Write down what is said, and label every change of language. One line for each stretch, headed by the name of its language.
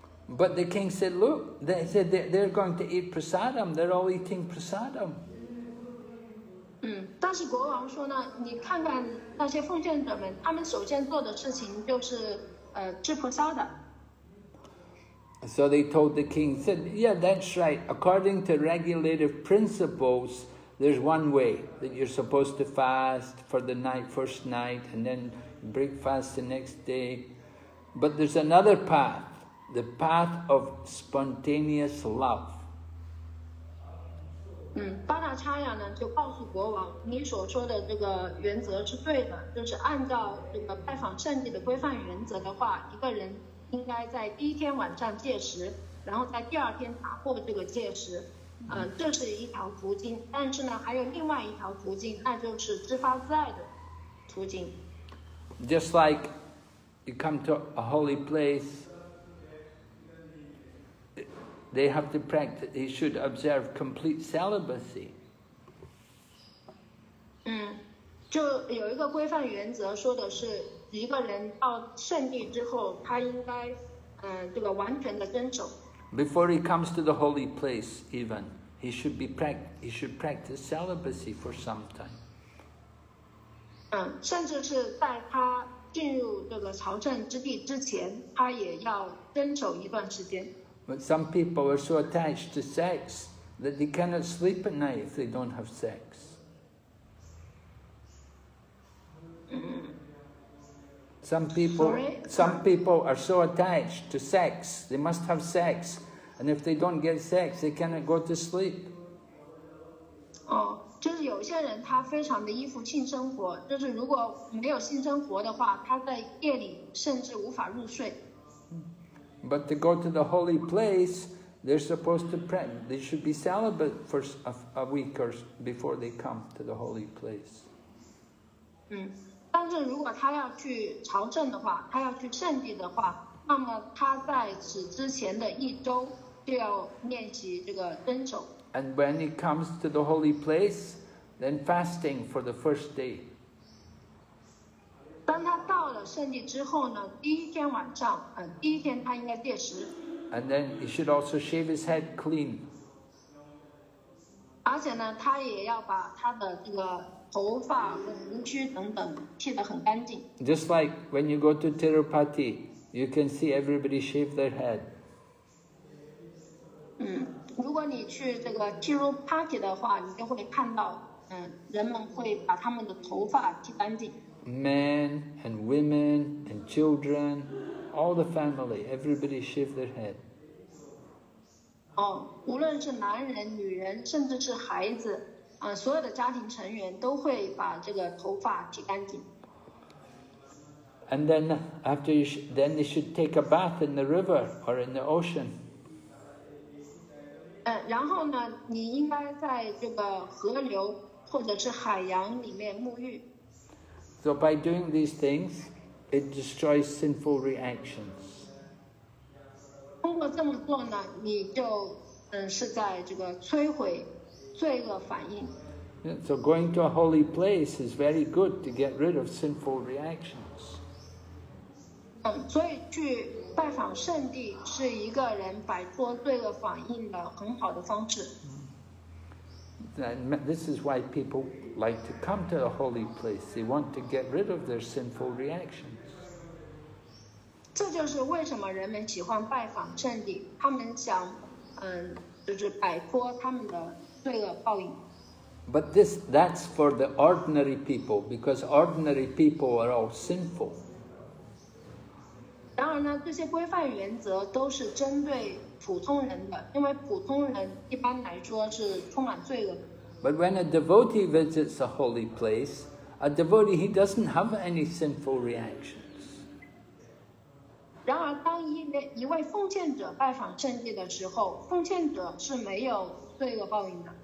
English: But the king said, look, they said they're going to eat prasadam. They're all eating prasadam.
Chinese: 但是国王说呢，你看看那些奉献者们，他们首先做的事情就是吃菩萨的。
English: So they told the king, said, yeah, that's right. According to regulative principles, there's one way that you're supposed to fast for the night, first night, and then break fast the next day. But there's another path, the path of spontaneous love.
Chinese: 巴达查亚呢就告诉国王，你所说的这个原则是对的，就是按照这个拜访圣地的规范原则的话，一个人应该在第一天晚上戒食，然后在第二天打破这个戒食，这是一条途径。但是呢，还有另外一条途径，那就是自发自爱的途径。
English: Just like you come to a holy place. They have to practice, they should observe complete celibacy.
Chinese: 就有一个规范原则说的是一个人到圣地之后他应该这个完全的遵守。
English: Before he comes to the holy place even, he should practice celibacy for some time.
Chinese: 甚至是在他进入这个朝圣之地之前他也要遵守一段时间。
English: But some people are so attached to sex that they cannot sleep at night if they don't have sex. Some people are so attached to sex, they must have sex. And if they don't get sex, they cannot go to sleep.
Chinese: Oh, 就是有些人他非常的依附性生活，就是如果没有性生活的话，他在夜里甚至无法入睡。
English: But to go to the holy place, they're supposed to pray. They should be celibate for a week or before they come to the holy place.
Chinese: 但是如果他要去朝圣的话，他要去圣地的话，那么他在此之前的一周就要练习这个遵守。
English: And when he comes to the holy place, then fasting for the first day.
Chinese: 当他到了圣地之后呢，第一天晚上，第一天他应该戒食。
English: And then he should also shave his head clean.
Chinese: 而且呢，他也要把他的这个头发和胡须等等剃得很干净。
English: Just like when you go to Tirupati, you can see everybody shave their head.
Chinese: 如果你去这个 Tirupati 的话，你就会看到，人们会把他们的头发剃干净。
English: Men and women and children, all the family, everybody shave their head.
Chinese: Oh, 无论是男人、女人，甚至是孩子，所有的家庭成员都会把这个头发剃干净。
English: And then after you, then they should take a bath in the river or in the ocean.
Chinese: 然后呢，你应该在这个河流或者是海洋里面沐浴。
English: So by doing these things, it destroys sinful reactions.
Chinese: 通过这么做呢，你就是在这个摧毁罪恶反应。
English: So going to a holy place is very good to get rid of sinful reactions.
Chinese: 所以去拜访圣地是一个人摆脱罪恶反应的很好的方式。
English: And this is why people like to come to a holy place. They want to get rid of their sinful reactions.
Chinese: 这就是为什么人们喜欢拜访圣地，他们想，就是摆脱他们的罪恶报应。
English: But that's for the ordinary people, because ordinary people are all sinful.
Chinese: 然而呢，这些规范原则都是针对普通人的，因为普通人一般来说是充满罪恶。
English: But when a devotee visits a holy place, a devotee, he doesn't have any sinful reactions.
Chinese: 然而当一位奉献者拜访圣地的时候，奉献者是没有罪恶报应的。